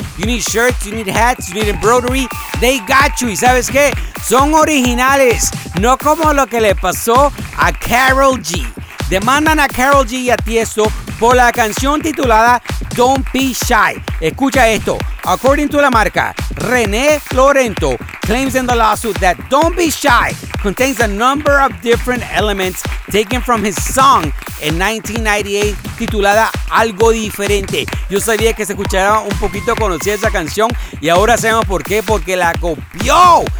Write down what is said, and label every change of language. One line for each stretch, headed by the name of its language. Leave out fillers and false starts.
English: You need shirts, you need hats, you need embroidery.
Spanish: They got you. ¿Y sabes qué? Son originales. No como lo que le pasó a Karol G. Demandan a Karol G y a Tiesto por la canción titulada Don't Be Shy. Escucha esto.
English: According to
Spanish: la marca,
English: René Florento claims in the lawsuit that Don't Be Shy contains a number of different elements taken from his song in 1998
Spanish: titulada
English: Algo Diferente.
Spanish: Yo sabía que se escuchaba un poquito conocida esa canción y ahora sabemos por qué, porque la copió.